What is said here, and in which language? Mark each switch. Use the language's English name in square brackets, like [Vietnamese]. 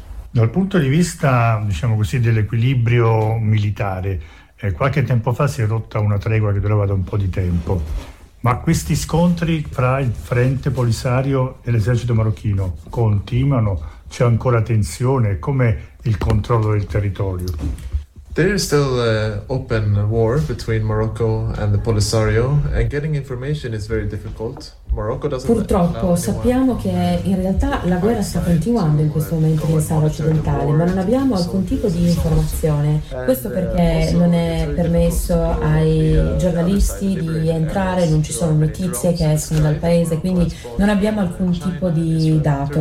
[Italian] Dal punto di vista, diciamo così, dell'equilibrio militare, qualche tempo fa si è rotta una tregua che durava da un po' di tempo, ma questi scontri fra il Frente Polisario e l'esercito marocchino continuano? C'è ancora tensione? Come il controllo del territorio? [English] There is still open war between Morocco and the Polisario, and getting information is very difficult. Morocco doesn't. [Italian] Purtroppo sappiamo che in realtà la guerra sta continuando in questo momento nel Sahara occidentale, ma non abbiamo alcun tipo di informazione. Questo perché non è permesso ai giornalisti di entrare, non ci sono notizie che escono dal paese, quindi non abbiamo alcun tipo di dato.